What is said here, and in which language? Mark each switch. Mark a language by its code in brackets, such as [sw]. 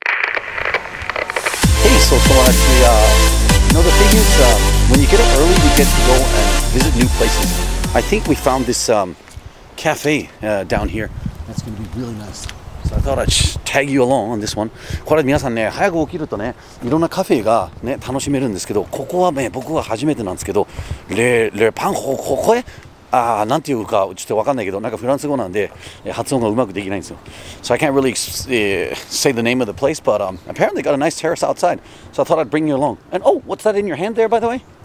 [en] So someone actually, you know, the thing is, when you get up early, you get to go and visit new places. I think we found this cafe down here. That's going to be really nice. So I thought I'd tag you along on this one. [ja] これ皆さんね、早く起きるとね、いろんなカフェがね、楽しめるんですけど、ここはね、僕は初めてなんですけど、レパンホ、ここへ、なんていうか、ちょっとわかんないけど、なんかフランス語なんで、発音がうまくできないんですよ。 [en] So I can't really say the name of the place, but apparently got a nice terrace outside. So I thought I'd bring you along. And oh, what's that in your hand there, by the way?